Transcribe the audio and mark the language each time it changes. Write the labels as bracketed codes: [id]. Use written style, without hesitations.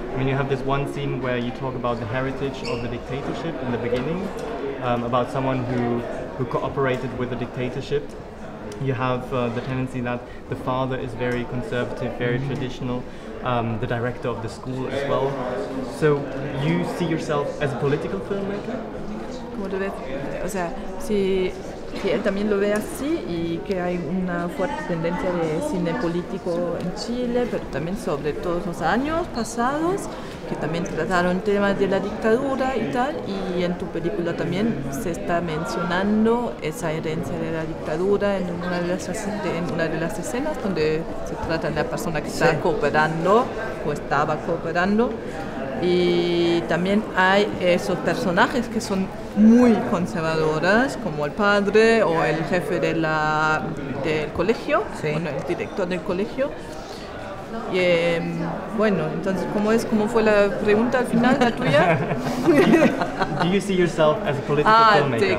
[en] I mean, you have this one scene where you talk about the heritage of the dictatorship in the beginning, about someone who cooperated with the dictatorship. You have the tendency that the father is very conservative, very traditional, the director of the school as well. So you see yourself as a political filmmaker? [es] Como tú ves, o sea, si que él también lo ve así, y que hay una fuerte tendencia de cine político en Chile, pero también sobre todos los años pasados, que también trataron temas de la dictadura y tal, y en tu película también se está mencionando esa herencia de la dictadura en una de las escenas donde se trata de la persona que está cooperando o estaba cooperando. Y también hay esos personajes que son muy conservadoras, como el padre o el jefe de la del colegio, bueno, el director del colegio. Y bueno, entonces, ¿cómo fue la pregunta al final, la tuya? [en] Do you see yourself as a political filmmaker?